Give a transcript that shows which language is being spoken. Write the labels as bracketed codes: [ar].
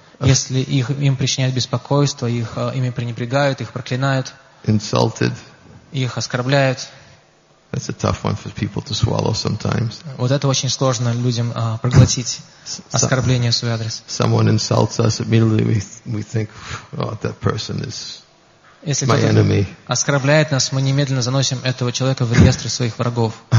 [ru] если им причиняют беспокойство, их ими пренебрегают, их проклинают, [en] insulted, [ru] их оскорбляют. [en] That's a tough one for people to swallow sometimes. [ru] Вот это очень сложно людям проглотить, оскорбление в свой адрес. [en] Someone insults us, immediately we think, oh, that person is [ru] Если кто-то оскорбляет нас, мы немедленно заносим этого человека в реестр своих врагов.